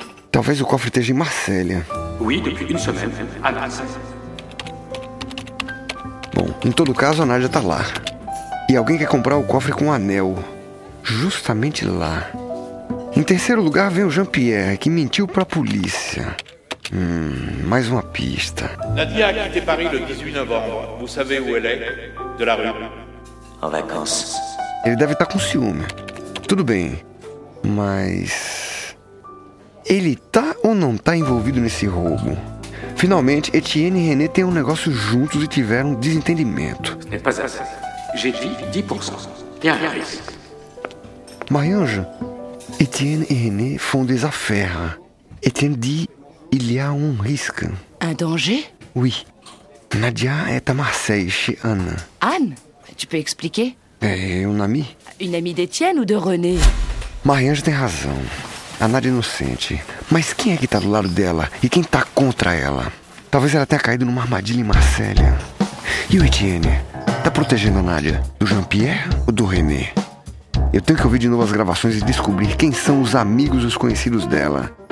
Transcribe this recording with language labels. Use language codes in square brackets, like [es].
[pt] Talvez o cofre esteja em Marselha. [fr] Oui, depuis une semaine, à Marseille. [pt] Bom, em todo caso, a Nádia tá lá. E alguém quer comprar o cofre com um anel. Justamente lá. Em terceiro lugar, vem o Jean-Pierre, que mentiu pra polícia. Mais uma pista. [fr] Nadia a quitté Paris le 18 novembre. Vous savez où elle est? De la rue. En vacances. [pt] Ele deve estar com ciúme. Tudo bem. Mas... Ele tá ou não tá envolvido nesse roubo? Finalmente, Étienne e René têm um negócio juntos e tiveram um desentendimento. [fr] Ce n'est pas assez. J'ai dit 10%. Tiens, Paris. Marie-Ange, Étienne e René font des affaires. Étienne dit... Il y a un risque. Un danger? Oui. Nadia est à Marseille, chez Anne. Anne? Tu peux expliquer? Une amie. Une amie d'Étienne ou de René? [pt] Marie-Ange tem razão. A Nadia é inocente. Mas quem é que tá do lado dela? E quem tá contra ela? Talvez ela tenha caído numa armadilha em Marselha. E o Étienne? Tá protegendo a Nadia? Do Jean-Pierre ou do René? Eu tenho que ouvir de novo as gravações e descobrir quem são os amigos e os conhecidos dela.